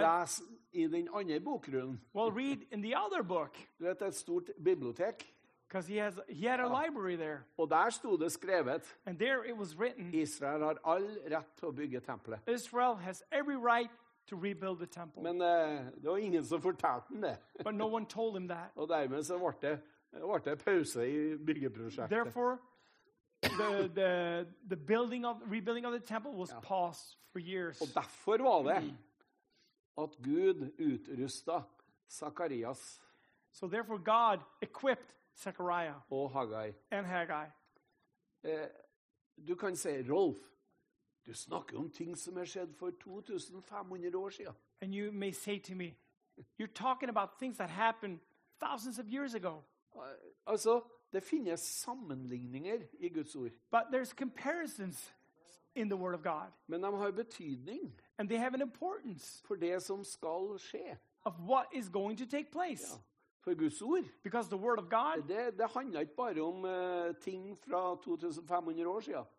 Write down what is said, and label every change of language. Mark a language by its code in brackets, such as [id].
[no] les i din andre bokrull. [en] Well, read in the other book. [no] Det et stort bibliotek. [en] Because he had a library there. [no] Og der sto det skrevet. [en] And there it was written. [no] Israel har all rett til å bygge tempelet. [en] Israel has every right to rebuild the temple. [no] Men det var ingen som fortalte det. [en] But no one told him that. [no] Og dermed så ble det pause i byggeprosjektet. [en] Therefore, the building of rebuilding of the temple was paused for years. [no] Og derfor var det at Gud utrustet Zakarias. [en] So therefore God equipped Zechariah [no] og Haggai. [en] And Haggai. [no] Du kan si, Rolf, du snakker om ting som skjedd for 2500 år siden. [en] And you may say to me, you're talking about things that happened thousands of years ago. [no] Altså, det finnes sammenligninger I Guds ord. [en] But there's comparisons in the word of God. [no] Men de har betydning. [en] And they have an importance. [no] For det som skal skje. [en] Of what is going to take place. [no] Ja, for Guds ord. [en] Because the word of God. [no] Det handler ikke bare om ting fra 2500 år siden.